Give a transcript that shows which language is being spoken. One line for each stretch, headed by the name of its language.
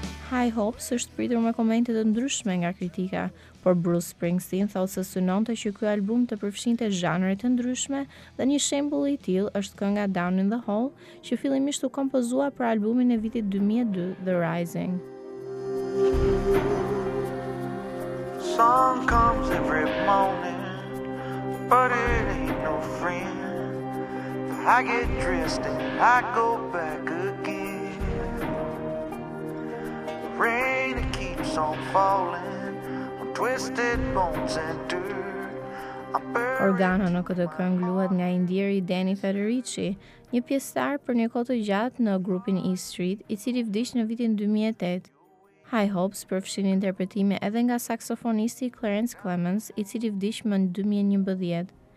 Albanian: High Hopes është pritur me komente të ndryshme nga kritika, por Bruce Springsteen thotë se synonte që ky album të përfshinte zhanre të ndryshme dhe një shembull i tillë është kënga Down in the Hole, që fillimisht u kompozua për albumin e vitit 2002 The Rising.
English: Sun comes every morning, but it ain't no friend. I get dressed and I go back again. Rain it keeps on falling on twisted bones and dirt.
Albanian: Organo në këtë këngë luhet nga indieri Danny Federici, një pjesëtar për një kohë të gjatë në grupin E Street, i cili vdiq në vitin 2008. High Hopes përfshin interpretime edhe nga saksofonisti Clarence Clemens, i cili vdiq më në 2011.